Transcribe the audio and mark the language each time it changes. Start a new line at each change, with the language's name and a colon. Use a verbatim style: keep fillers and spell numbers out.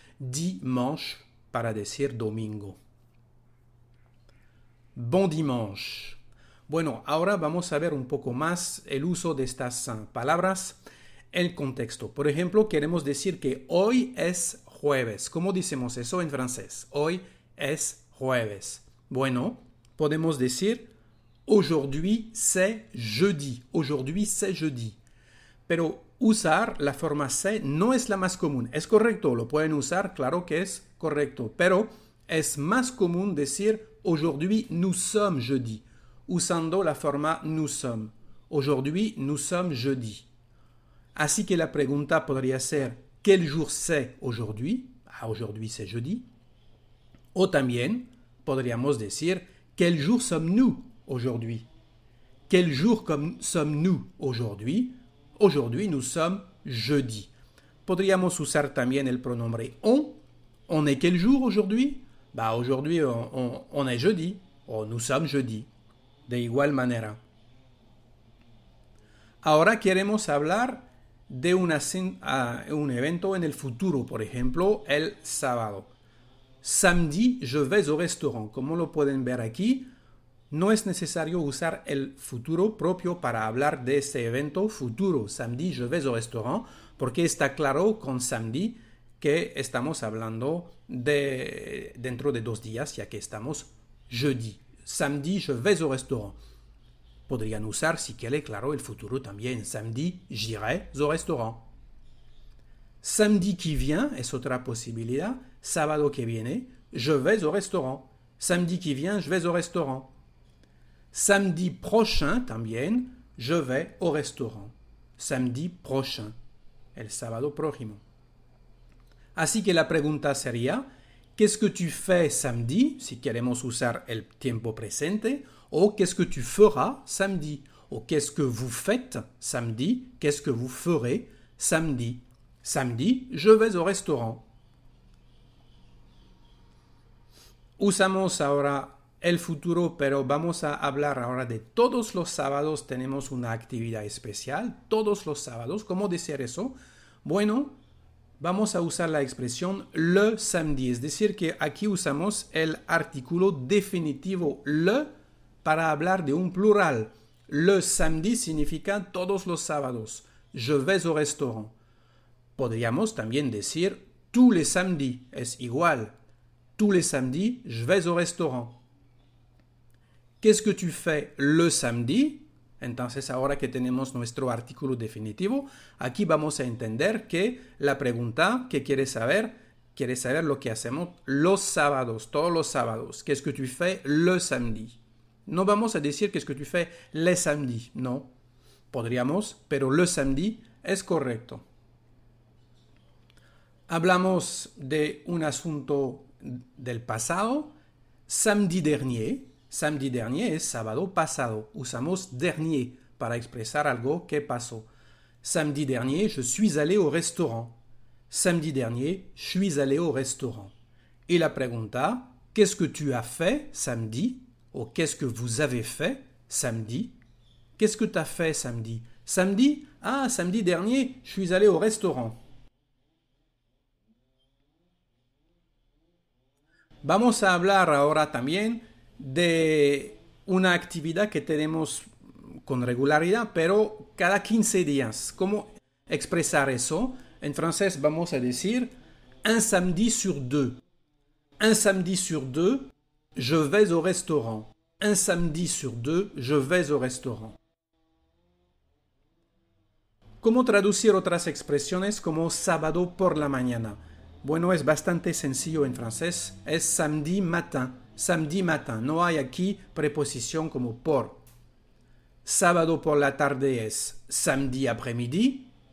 Spanish: Dimanche para decir domingo.
French: Bon dimanche.
Spanish: Bueno, ahora vamos a ver un poco más el uso de estas palabras en contexto. Por ejemplo, queremos decir que hoy es jueves. ¿Cómo decimos eso en francés? Hoy es jueves. Bueno, podemos decir
French: aujourd'hui c'est jeudi. Aujourd'hui c'est jeudi.
Spanish: Pero usar la forma se no es la más común. Es correcto, lo pueden usar, claro que es correcto, pero es más común decir
French: aujourd'hui nous sommes jeudi,
Spanish: usando la forma nous sommes.
French: Aujourd'hui nous sommes jeudi.
Spanish: Así que la pregunta podría ser
French: ¿quel jour c'est aujourd'hui? Ah, aujourd'hui c'est jeudi.
Spanish: O también podríamos decir
French: ¿quel jour sommes-nous aujourd'hui? ¿Quel jour sommes-nous aujourd'hui? Aujourd'hui, nous sommes jeudi.
Spanish: Podríamos usar también el pronombre on.
French: On est quel jour aujourd'hui? Bah, aujourd'hui, on, on, on est jeudi.
Spanish: O
French: nous sommes jeudi.
Spanish: De igual manera. Ahora queremos hablar de una, uh, un evento en el futuro. Por ejemplo, el sábado.
French: Samedi, je vais au restaurant.
Spanish: Como lo pueden ver aquí, no es necesario usar el futuro propio para hablar de ese evento futuro.
French: Samedi, je vais au restaurant,
Spanish: porque está claro con samedi que estamos hablando de dentro de dos días, ya que estamos jeudi.
French: Samedi, je vais au restaurant.
Spanish: Podrían usar, si quiere, claro, el futuro también.
French: Samedi, j'irai au restaurant. Samedi qui vient
Spanish: es otra posibilidad. Sábado que viene,
French: je vais au restaurant. Samedi qui vient, je vais au restaurant. Samedi prochain, también, je vais au restaurant.
Spanish: Samedi prochain, el sábado próximo. Así que la pregunta sería,
French: ¿qu'est-ce que tu fais samedi?
Spanish: Si queremos usar el tiempo presente.
French: O ¿qu'est-ce que tu feras samedi? O ¿qu'est-ce que vous faites samedi? ¿Qu'est-ce que vous ferez samedi? Samedi, je vais au restaurant.
Spanish: Usamos ahora el futuro, pero vamos a hablar ahora de todos los sábados tenemos una actividad especial. Todos los sábados, ¿cómo decir eso? Bueno, vamos a usar la expresión le samedi, es decir que aquí usamos el artículo definitivo le para hablar de un plural.
French: Le samedi
Spanish: significa todos los sábados.
French: Je vais au restaurant.
Spanish: Podríamos también decir
French: tous les samedis,
Spanish: es igual.
French: Tous les samedis, je vais au restaurant. ¿Qu'est-ce que tu fais le samedi?
Spanish: Entonces, ahora que tenemos nuestro artículo definitivo, aquí vamos a entender que la pregunta que quiere saber Quieres saber lo que hacemos los sábados, todos los sábados.
French: ¿Qu'est-ce que tu fais le samedi?
Spanish: No vamos a decir
French: qu'est-ce que tu fais les samedis, no.
Spanish: Podríamos, pero le samedi es correcto. Hablamos de un asunto del pasado.
French: Samedi dernier. Samedi dernier
Spanish: es sábado pasado. Usamos dernier para expresar algo que pasó.
French: Samedi dernier, je suis allé au restaurant. Samedi dernier, je suis allé au restaurant. Et
Spanish: la pregunta,
French: qu'est-ce que tu as fait samedi? Ou qu'est-ce que vous avez fait samedi? Qu'est-ce que tu as fait samedi? Samedi? Ah, samedi dernier, je suis allé au restaurant.
Spanish: Vamos a hablar ahora también de una actividad que tenemos con regularidad, pero cada quince días. ¿Cómo expresar eso? En francés vamos a decir
French: un samedi sur deux. Un samedi sur deux, je vais au restaurant. Un samedi sur deux, je vais au restaurant.
Spanish: ¿Cómo traducir otras expresiones como sábado por la mañana? Bueno, es bastante sencillo en francés. Es samedi matin. Samedi matin. No hay aquí preposición como por. Sábado por la tarde es samedi après-midi.